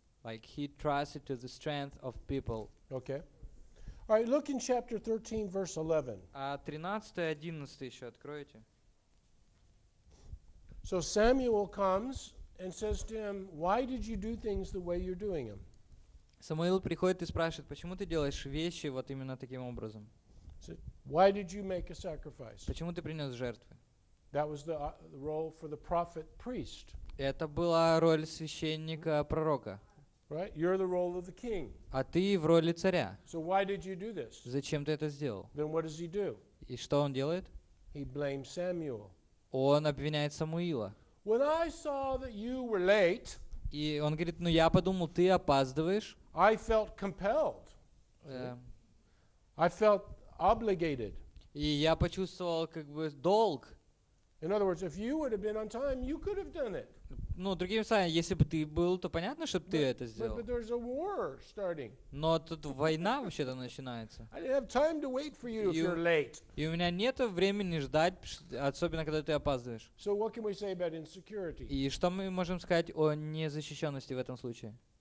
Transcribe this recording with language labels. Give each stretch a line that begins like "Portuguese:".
English: Like, he trusted to the strength of people. Okay. All right, look in chapter 13, verse 11.
Russian: 13:11 еще откроете.
English: So Samuel comes and says to him, "Why did you do things the way you're doing them?"
Russian: Самуил приходит и спрашивает, почему ты делаешь вещи вот именно таким образом?
English: Why did you make a sacrifice?
Russian: Почему ты принес жертвы?
English: That was the role for the prophet priest.
Russian: Это была роль священника пророка.
English: Right? You're the role of the king.
Russian: А ты в роли царя.
English: So why did you do this?
Russian: Зачем ты это сделал?
English: Then what does he do?
Russian: И что он делает?
English: He blames Samuel.
Russian: Он обвиняет Самуила.
English: When I saw that you were late,
Russian: и он говорит, ну я подумал, ты опаздываешь.
English: I felt compelled. I felt obligated.
Russian: И я почувствовал как бы долг.
English: In other words, if you would have been on time, you could have done it.
Russian: Ну, другими словами, если бы ты был, то понятно, что бы ты это сделал.
English: But there's a war starting.
Russian: Но тут война вообще-то начинается.
English: I didn't have time to wait for you if you're late.
Russian: И у меня нет времени ждать, особенно когда ты опаздываешь.
English: So what can we say about insecurity?
Russian: И что мы можем сказать о незащищенности в этом случае?